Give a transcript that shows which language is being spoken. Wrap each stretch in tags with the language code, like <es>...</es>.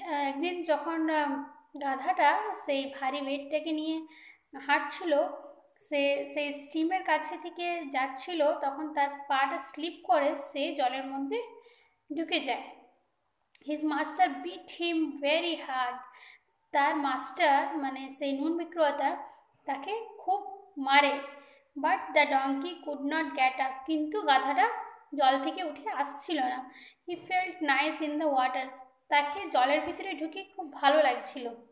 <bn>একদিন যখন গাধাটা সেই ভারী ওয়েটটাকে নিয়ে হাঁটছিল, সেই স্ট্রিমের কাছে থেকে যাচ্ছিল, তখন তার পাটা স্লিপ করে সে জলের মধ্যে ঢুকে যায়.</bn> <en>His master beat him very hard.</en> <bn>তার মাস্টার মানে সেই নুন বিক্রেতা তাকে খুব মারে.</bn> <en>But the donkey could not get up.</en> <bn>কিন্তু গাধাটা জল থেকে উঠে আসছিল না.</bn> <en>He felt nice in the water.</en> <bn>তাকে জলের ভিতরে ঢুকে খুব ভালো লাগছিল.</bn>